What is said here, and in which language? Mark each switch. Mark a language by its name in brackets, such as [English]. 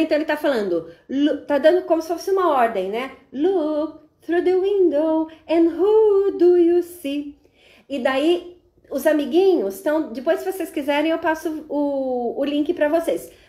[Portuguese] Então ele está falando, tá dando como se fosse uma ordem, né? [English] Look through the window and who do you see? [Portuguese] E daí os amiguinhos estão. Depois, se vocês quiserem, eu passo o link para vocês.